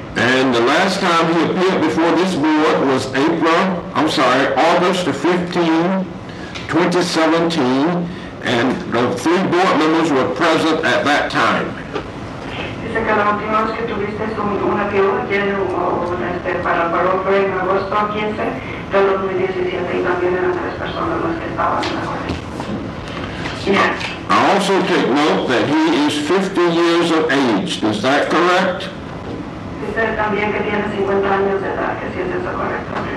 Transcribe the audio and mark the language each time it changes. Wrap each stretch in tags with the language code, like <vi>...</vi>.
<en>And the last time he appeared before this board was August 15, 2017, and the three board members were present at that time.</en> <es>Dice que la última vez que tuviste una figura aquí en para el barón fue en agosto 15 de 2017 y también eran tres personas las que estaban en la corte.</es> <en>I also take note that he is 50 years of age. Is that correct?</en> <es>Dice también que tiene 50 años de edad, que si es eso correcto.</es>